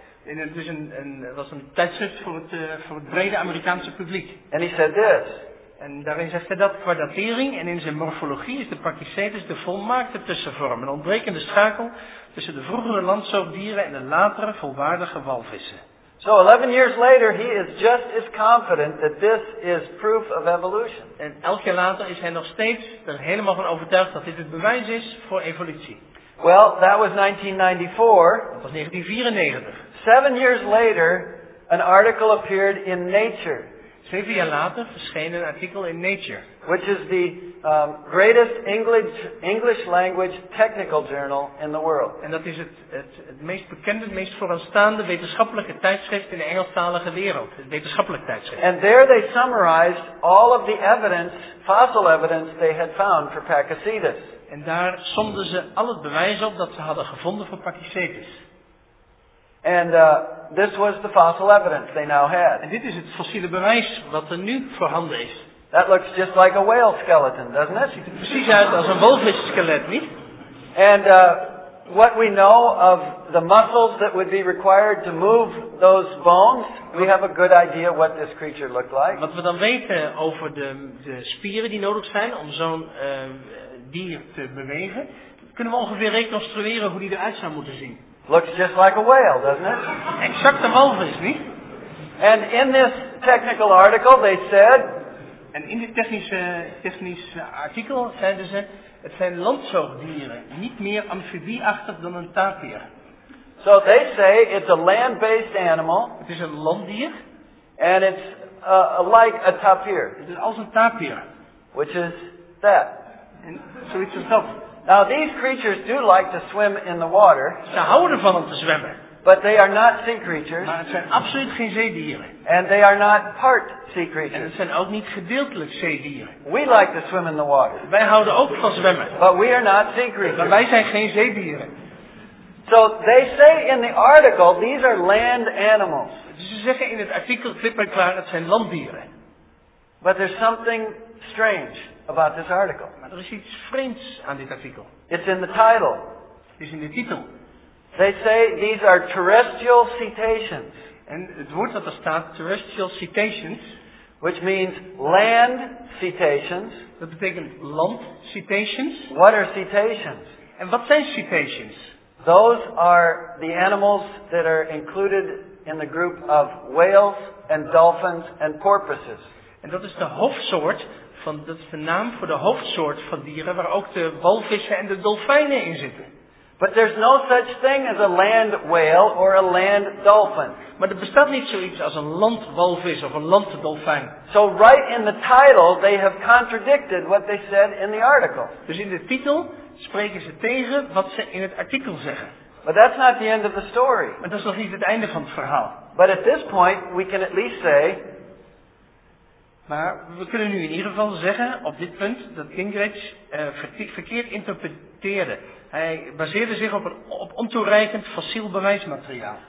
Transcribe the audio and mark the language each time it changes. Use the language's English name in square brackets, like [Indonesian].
[Dutch] En het is was een tijdschrift voor het brede Amerikaanse publiek. [English] And he said this. [Dutch] En daarin zegt hij dat qua datering en in zijn morfologie is de Pachycetus de volmaakte tussenvorm. Een ontbrekende schakel tussen de vroegere landzoogdieren en de latere volwaardige walvissen. [English] So 11 years later, he is just as confident that this is proof of evolution. [Dutch] En 11 jaar later is hij nog steeds er helemaal van overtuigd dat dit het bewijs is voor evolutie. [English] Well, that was 1994. [Dutch] Dat was 1994. [English] 7 years later, an article appeared in Nature. [Dutch] 7 jaar later verscheen een artikel in Nature. [English] Which is the greatest English language technical journal in the world. [Dutch] En dat is het meest bekende, het meest vooraanstaande wetenschappelijke tijdschrift in de Engelstalige wereld. Het wetenschappelijk tijdschrift. [English] And there they summarized all of the evidence, fossil evidence they had found for Pachycetus. [Dutch] En daar somden ze al het bewijs op dat ze hadden gevonden voor Pachycetus. [English] And this was the fossil evidence they now had. [Dutch] En dit is het fossiele bewijs wat er nu voorhanden is. [English] That looks just like a whale skeleton, doesn't it? [Dutch] Precies uit als een walvis skelet, niet? [English] And what we know of the muscles that would be required to move those bones, we have a good idea what this creature looked like. [Dutch] Wat we dan weten over de spieren die nodig zijn om zo'n dier te bewegen, kunnen we ongeveer reconstrueren hoe die eruit zou moeten zien. [English] Looks just like a whale, doesn't it? [Dutch] Exact een walvis, niet? [English] And in this technical article, they said. [Dutch] En in dit technische artikel zeiden ze, het zijn landzoogdieren, niet meer amfibieachtig dan een tapir. [English] So they say it's a land-based animal. [Dutch] Het is een landdier. [English] And it's like a tapir. [Dutch] Het is als een tapir. [English] Which is that. [Dutch] En zoiets als dat. [English] Now these creatures do like to swim in the water. [Dutch] Ze houden ervan om te zwemmen. [English] But they are not sea creatures. [Dutch] Maar het zijn absoluut geen zeedieren. [English] And they are not part sea creatures. [Dutch] En het zijn ook niet gedeeltelijk zeedieren. [English] We like to swim in the water. [Dutch] Wij houden ook van zwemmen. [English] But we are not sea creatures. [Dutch] Maar wij zijn geen zeedieren. [English] So they say in the article these are land animals. [Dutch] Ze zeggen in het artikel klip en klaar, het zijn landdieren. [English] But there's something strange about this article. [Dutch] Maar er is iets vreemds aan dit artikel. [English] It's in the title. [Dutch] Het is in de titel. [English] They say these are terrestrial cetaceans. [Dutch] En het woord dat er staat, [English] terrestrial cetaceans, which means land cetaceans. [Dutch] Dat betekent land cetaceans. [English] What are cetaceans? [Dutch] En wat zijn cetaceans? [English] Those are the animals that are included in the group of whales and dolphins and porpoises. [Dutch] En dat is de hoofdsoort. Van, dat is de naam voor de hoofdsoort van dieren waar ook de walvissen en de dolfijnen in zitten. [English] But there's no such thing as a land whale or a land dolphin. [Dutch] Maar er bestaat niet zoiets als een landwalvis of een landdolfijn. [English] So right in the title they have contradicted what they said in the article. [Dutch] Dus in de titel spreken ze tegen wat ze in het artikel zeggen. [English] But that's not the end of the story. [Dutch] Maar dat is nog niet het einde van het verhaal. [English] But at this point we can at least say. [Dutch] Maar we kunnen nu in ieder geval zeggen op dit punt dat Gingrich verkeerd interpreteerde. Hij baseerde zich op ontoereikend fossiel bewijsmateriaal.